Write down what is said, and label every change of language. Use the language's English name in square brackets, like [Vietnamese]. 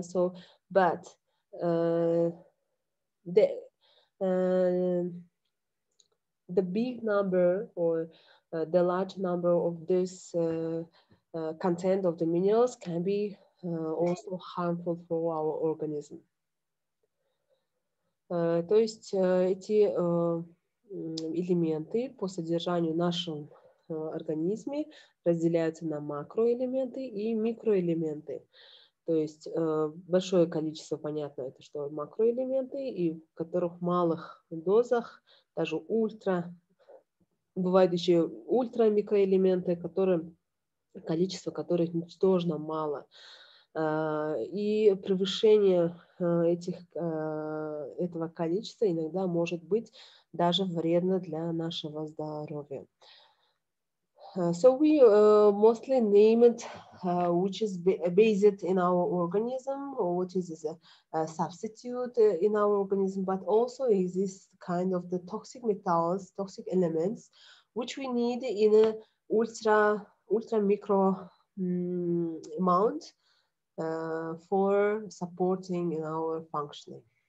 [English] So, but the big number or the large number of this content of the minerals can be also harmful for our organism. [Russian] То есть эти элементы по содержанию в нашем организме разделяются на макроэлементы и микроэлементы. То есть большое количество, понятно, это что макроэлементы, и в которых в малых дозах, даже ультра, бывают еще ультрамикроэлементы, которые, количество которых ничтожно мало. И превышение этого количества иногда может быть даже вредно для нашего здоровья. [English] So we mostly name it which is based in our organism or which is a substitute in our organism, but also exists kind of the toxic metals, toxic elements, which we need in a ultra micro amount for supporting in our functioning.